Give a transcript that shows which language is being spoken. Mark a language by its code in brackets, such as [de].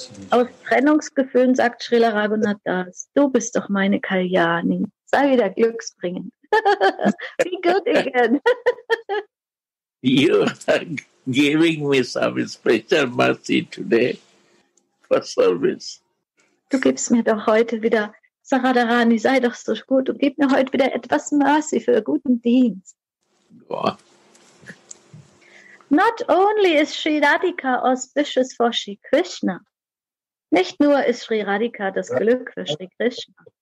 [de] Aus Trennungsgefühlen sagt Srila Raghunath Das, du bist doch meine Kalyani. Sei wieder glücksbringend. [en] Be good again. You are giving me some special mercy today for service. [de] Du gibst mir doch heute wieder, Saradharani, sei doch so gut und gib mir heute wieder etwas Mercy für guten Dienst. Boah. [en] Not only is Sri Radhika auspicious for Sri Krishna. [de] Nicht nur ist Sri Radhika das Glück für Sri Krishna.